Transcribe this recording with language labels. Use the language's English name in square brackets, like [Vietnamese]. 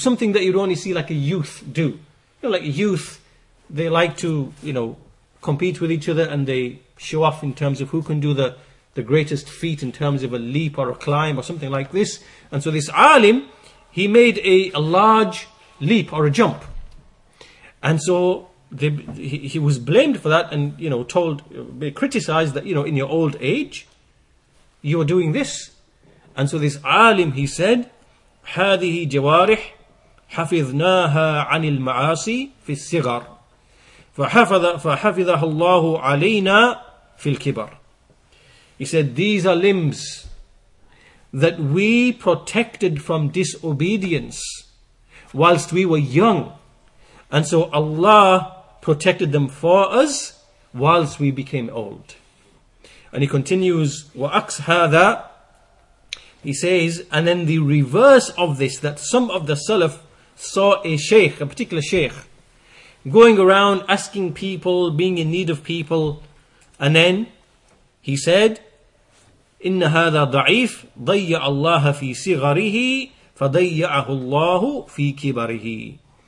[English] Something that you'd only see like a youth do. You know, like a youth, they like to, you know, compete with each other and they show off in terms of who can do the greatest feat in terms of a leap or a climb or something like this. And so this alim, he made a large leap or a jump. And so he was blamed for that and, you know, told, criticized that, you know, in your old age, you are doing this. And so this alim, he said, [Arabic] هذه جوارح حفظناها عن المعاصي في الصغر فحفظها الله علينا في الكبر. [English] He said, these are limbs that we protected from disobedience whilst we were young. And so Allah protected them for us whilst we became old. And he continues, [Arabic] وَأَقْسْ هَذَا. [English] He says, and then the reverse of this, that some of the Salaf saw a sheikh, a particular sheikh, going around asking people, being in need of people. And then he said, [Arabic] إن هذا ضعيف ضيع الله في صغره فضيعه الله في كبره.